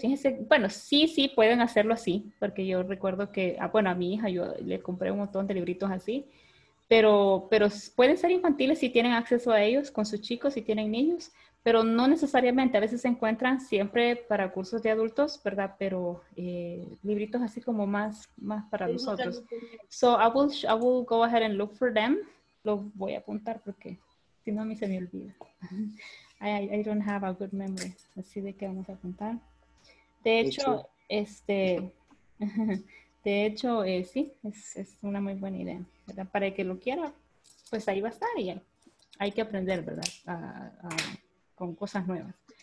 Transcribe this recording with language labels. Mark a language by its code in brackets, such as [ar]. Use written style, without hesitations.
[es] Fíjense, bueno, sí, pueden hacerlo así, porque yo recuerdo que, bueno, a mi hija yo le compré un montón de libritos así, pero pueden ser infantiles si tienen acceso a ellos, con sus chicos, si tienen niños, pero no necesariamente. A veces se encuentran siempre para cursos de adultos, ¿verdad? Pero libritos así como más para nosotros. [en] So I will go ahead and look for them. [es] Lo voy a apuntar porque si no, a mí se me olvida. [en] I don't have a good memory. [es] Así de que vamos a apuntar. De hecho, sí, es una muy buena idea, ¿verdad? Para el que lo quiera, pues ahí va a estar y hay que aprender, ¿verdad? Con cosas nuevas.